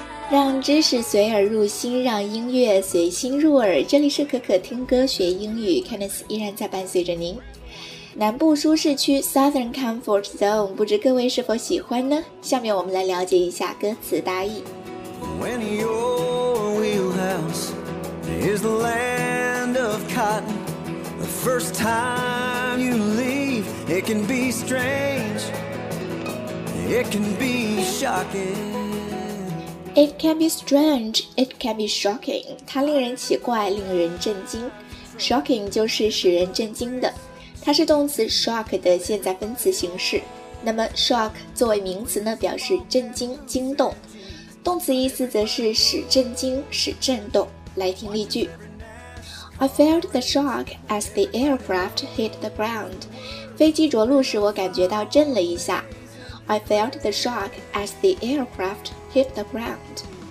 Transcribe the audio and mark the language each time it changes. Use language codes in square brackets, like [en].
[zh] 让知识随耳入心，让音乐随心入耳。这里是可可听歌学英语， Candice 依然在伴随着您。南部舒适区 Southern Comfort Zone， 不知各位是否喜欢呢？下面我们来了解一下歌词大意。 [en] When your wheelhouse is the land of cotton, the first time you leave, it can be strange, it can be shocking. It can be strange, it can be shocking. [zh] 它令人奇怪，令人震惊。 Shocking 就是使人震惊的。它是动词 shock 的现在分词形式。那么 shock 作为名词呢，表示震惊、惊动。动词意思则是使震惊、使震动。来听例句。 [en] I felt the shock as the aircraft hit the ground. [zh] 飞机着陆时我感觉到震了一下。 [en] I felt the shock as the aircraft hit the ground.